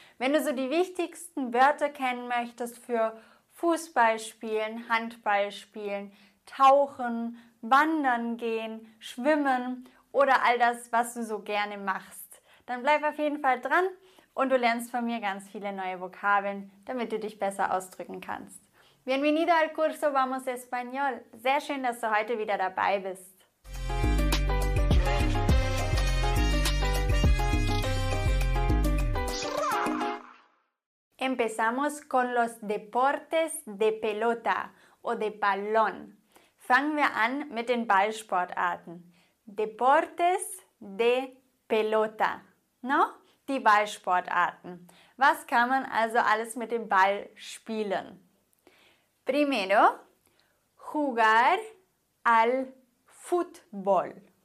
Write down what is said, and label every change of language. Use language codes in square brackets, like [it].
[de] Wenn du so die wichtigsten Wörter kennen möchtest für Fußball spielen, Handball spielen, tauchen, wandern gehen, schwimmen oder all das, was du so gerne machst, dann bleib auf jeden Fall dran und du lernst von mir ganz viele neue Vokabeln, damit du dich besser ausdrücken kannst. [es] Bienvenido al curso Vamos Español. [de] Sehr schön, dass du heute wieder dabei bist. [es] Empezamos con los deportes de pelota o de balón. [de] Fangen wir an mit den Ballsportarten. [es] Deportes de pelota, ¿no? [de] Die Ballsportarten. Was kann man also alles mit dem Ball spielen? [es] Primero, jugar al fútbol.